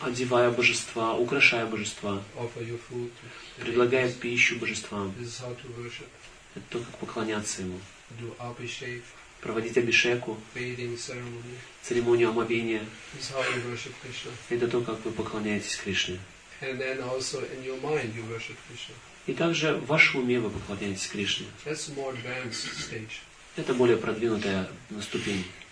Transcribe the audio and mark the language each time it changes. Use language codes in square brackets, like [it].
[ru] Одевая божества, украшая божества. [en] Offer your food to the [ru] deities. Предлагая пищу божествам. [en] This is how to worship. [ru] Это то, как поклоняться ему. [en] Do abhishek. [ru] Проводить абишеку. [en] Bathing ceremony. [ru] Церемонию омовения. [en] This is how you worship Krishna. [ru] Это то, как вы поклоняетесь Кришне. [en] And then also in your mind you worship Krishna. [ru] И также в вашем уме вы поклоняетесь Кришне. [en] That's a more advanced stage. [ru] Это более продвинутая ступень.